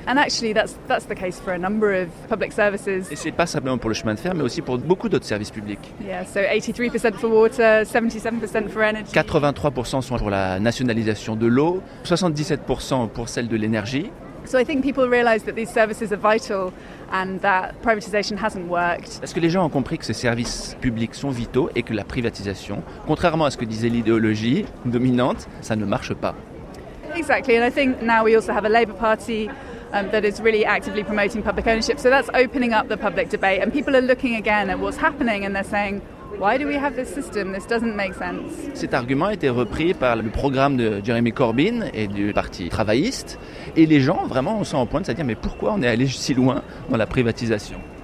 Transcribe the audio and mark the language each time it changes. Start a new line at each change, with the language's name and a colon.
English: And actually that's the case for a number of public services.
French: Et c'est pas simplement pour le chemin de fer mais aussi pour beaucoup d'autres services publics.
English: Yeah, so 83% for water, 77% for energy.
French: 83% sont pour la nationalisation de l'eau, 77% pour celle de l'énergie.
English: So I think people realize that these services are vital and that privatization hasn't worked.
French: Est-ce que les gens ont compris que ces services publics sont vitaux et que la privatisation, contrairement à ce que disait l'idéologie dominante, ça ne marche pas?
English: Exactly, and I think now we also have a Labour Party that is really actively promoting public ownership. So that's opening up the public debate, and people are looking again at what's happening, and they're saying, why do we have this system? This doesn't make sense.
French: Cet argument a été repris par le programme de Jeremy Corbyn et du Parti travailliste, et les gens vraiment sont en pointe à dire, mais pourquoi on est allé si loin dans la privatisation?